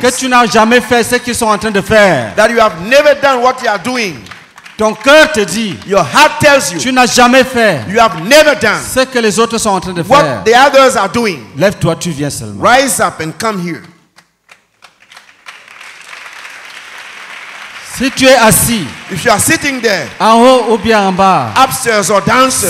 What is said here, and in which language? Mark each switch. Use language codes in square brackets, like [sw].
[fr] que tu n'as jamais fait ce qu'ils sont en train de faire, [en] that you have never done what you are doing. [fr] Ton cœur te dit, [en] your heart tells you, [fr] tu n'as jamais fait, [en] you have never done, [fr] ce que les autres sont en train de [en] what [fr] faire, [en] the others are doing. [fr] Lève-toi, tu viens seulement. [en] Rise up and come here. [fr] Si tu es assis, [en] if you are sitting there, [fr] en haut ou bien en bas, [en] upstairs or downstairs,